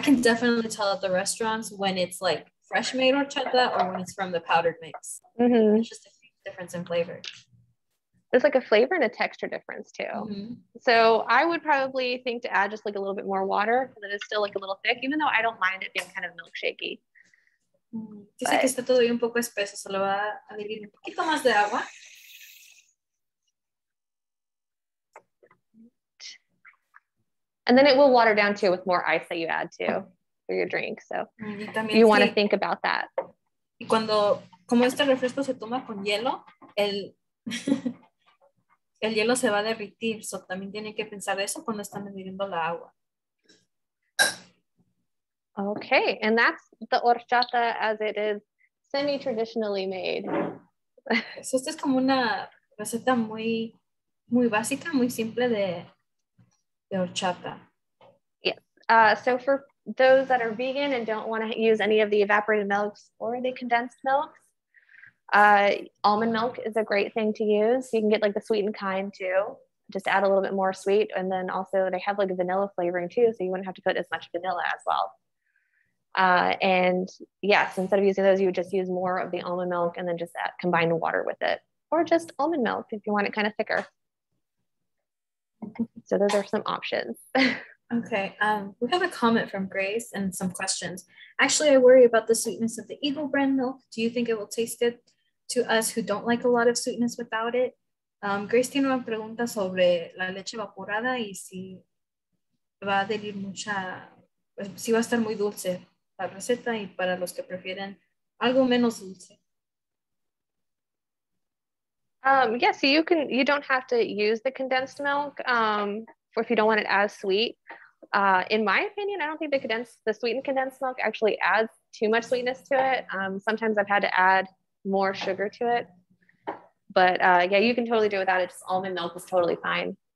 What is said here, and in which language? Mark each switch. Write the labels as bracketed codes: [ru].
[en] can definitely tell at the restaurants when it's like fresh made horchata or when it's from the powdered mix. Mm-hmm. It's just a difference in flavor. There's like a flavor and a texture difference too. Mm-hmm. So I would probably think to add just like a little bit more water because it is still like a little thick, even though I don't mind it being kind of milkshakey. [es] Dice que está todavía un poco espeso, solo va a añadir un poquito más de agua. [en] And then it will water down too with more ice that you add to for your drink. So [es] también, [en] you want to think about that. [es] Y cuando, como este refresco se toma con hielo, el hielo se va a derritir. So también tienen que pensar eso cuando están bebiendo la agua. [en] Okay. And that's the horchata as it is semi-traditionally made. [es] So esta es como una receta muy, muy básica, muy simple de... horchata. [en] Yes. So for those that are vegan and don't want to use any of the evaporated milks or the condensed milks, almond milk is a great thing to use. You can get like the sweetened kind too. Just add a little bit more sweet. And then also they have like a vanilla flavoring too. So you wouldn't have to put as much vanilla as well. And yes, instead of using those, you would just use more of the almond milk and then just combine water with it. Or just almond milk if you want it kind of thicker. So those are some options. Okay. We have a comment from Grace and some questions. Actually, I worry about the sweetness of the Eagle brand milk. Do you think it will taste good to us who don't like a lot of sweetness without it? [es] Grace tiene una pregunta sobre la leche evaporada y si va a adherir mucha, si va a estar muy dulce la receta y para los que prefieren algo menos dulce. [en] Yes, yeah, so you don't have to use the condensed milk for if you don't want it as sweet. In my opinion, I don't think the sweetened condensed milk actually adds too much sweetness to it. Sometimes I've had to add more sugar to it. But yeah, you can totally do it without it. Just almond milk is totally fine.